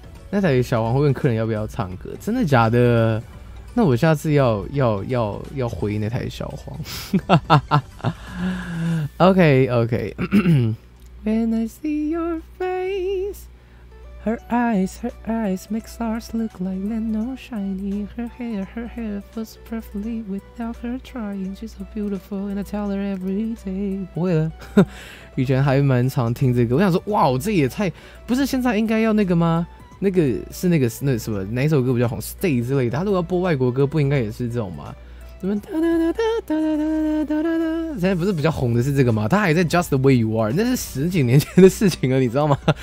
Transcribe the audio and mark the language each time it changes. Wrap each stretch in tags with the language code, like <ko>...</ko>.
<zh>那台小王会问客人要不要唱歌，真的假的？那我下次要回那台小黄。</zh> <en>OK OK， When I see your face, her eyes make stars look like they're no shiny. Her hair falls perfectly without her trying. She's so beautiful, and I tell her every day.</en> <zh>不会了，以前还蛮常听这个。我想说，哇，这也太不是现在应该要那个吗？那个是那个那什么哪一首歌比较红 ？Stay 之类的。他如果要播外国歌，不应该也是这种吗？怎么哒哒哒哒哒哒哒哒哒哒？现在不是比较红的是这个吗？他还在 Just the way you are， 那是十几年前的事情了，你知道吗？</zh>